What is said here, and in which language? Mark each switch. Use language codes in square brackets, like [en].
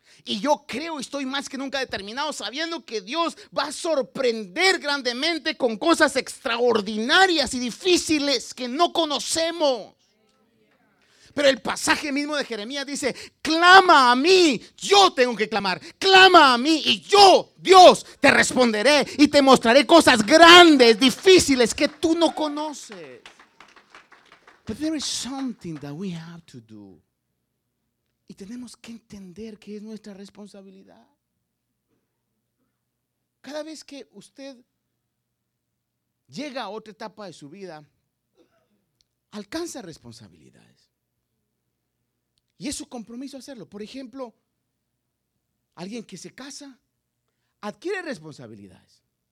[es] Y yo creo y estoy más que nunca determinado sabiendo que Dios va a sorprender grandemente con cosas extraordinarias y difíciles que no conocemos. Pero el pasaje mismo de Jeremías dice, clama a mí, yo tengo que clamar, clama a mí y yo, Dios, te responderé y te mostraré cosas grandes, difíciles que tú no conoces. [en] But there is something that we have to do. [es] Y tenemos que entender que es nuestra responsabilidad. Cada vez que usted llega a otra etapa de su vida, alcanza responsabilidades. Y es su compromiso hacerlo. Por ejemplo, alguien que se casa adquiere responsabilidades.